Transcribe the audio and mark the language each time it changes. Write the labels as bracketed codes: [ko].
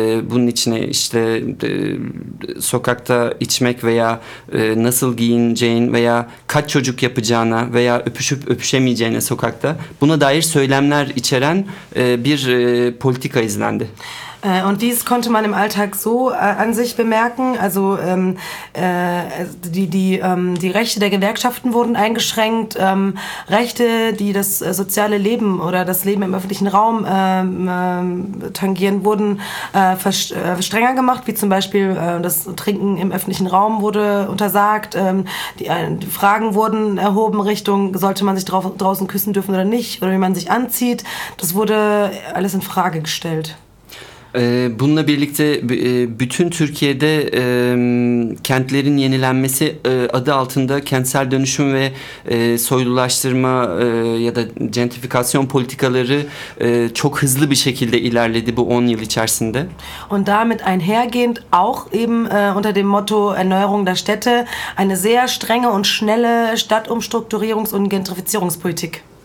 [tr] Bunun içine işte sokakta içmek veya nasıl giyineceğin veya kaç çocuk yapacağına veya öpüşüp öpüşemeyeceğine sokakta, buna dair söylemler içeren bir politika izlendi. [de] Und dies konnte man im Alltag so an sich bemerken. Also die Rechte der Gewerkschaften wurden eingeschränkt. Rechte, die das soziale Leben oder das Leben im öffentlichen Raum tangieren, wurden strenger gemacht, wie zum Beispiel das Trinken im öffentlichen Raum wurde untersagt. Die Fragen wurden erhoben Richtung, sollte man sich draußen küssen dürfen oder nicht, oder wie man sich anzieht. Das wurde alles in Frage gestellt. [tr] Bununla birlikte bütün Türkiye'de kentlerin yenilenmesi adı altında kentsel dönüşüm ve soylulaştırma ya da gentrifikasyon politikaları çok hızlı bir şekilde ilerledi bu 10 yıl içerisinde. [de] Und damit einhergehend auch eben unter dem Motto Erneuerung der Städte eine sehr strenge und schnelle Stadtumstrukturierungs- und Gentrifizierungspolitik.